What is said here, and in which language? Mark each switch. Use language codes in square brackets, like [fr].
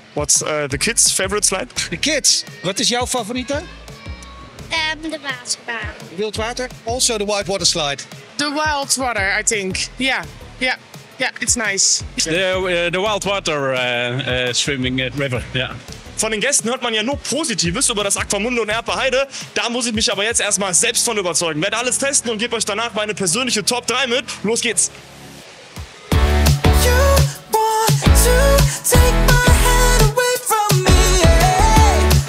[en] What's the kids' favorite slide? The kids? What is your favorite? The waterbaan. Wild water? Also the white water slide. The wild water, I think. Yeah, it's nice. The wild water swimming river, yeah. [de] Von den Gästen hört man ja nur Positives über das Aquamundo in Erpa Heide. Da muss ich mich aber jetzt erstmal selbst von überzeugen. Werde alles testen und gebe euch danach meine persönliche Top 3 mit. Los geht's! [en] You want to take my hand away from me.